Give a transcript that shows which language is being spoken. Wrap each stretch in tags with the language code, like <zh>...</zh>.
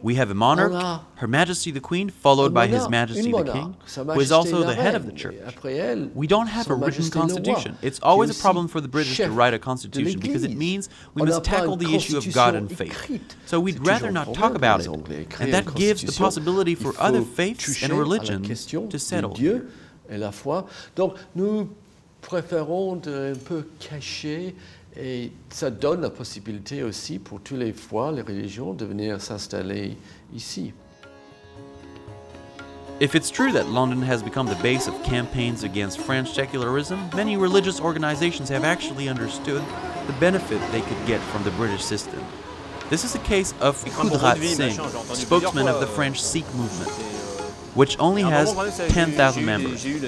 <en>We have a monarch, Her Majesty the Queen, followed by His Majesty the King, who is also the head of the church. We don't have a written constitution. It's always a problem for the British to write a constitution because it means we must tackle the issue of God and faith. So we'd rather not talk about it, and that gives the possibility for other faiths and religions to settle.</en> <fr>Dieu et la foi. Donc nous préférons de un peu cacher et ça donne la possibilité aussi pour toutes les fois les religions de venir s'installer ici.</fr> <en>If it's true that London has become the base of campaigns against French secularism, many religious organizations have actually understood the benefit they could get from the British system. This is a case of Kudrat Singh, spokesman of the French Sikh movement, which only has 10,000 members.</en>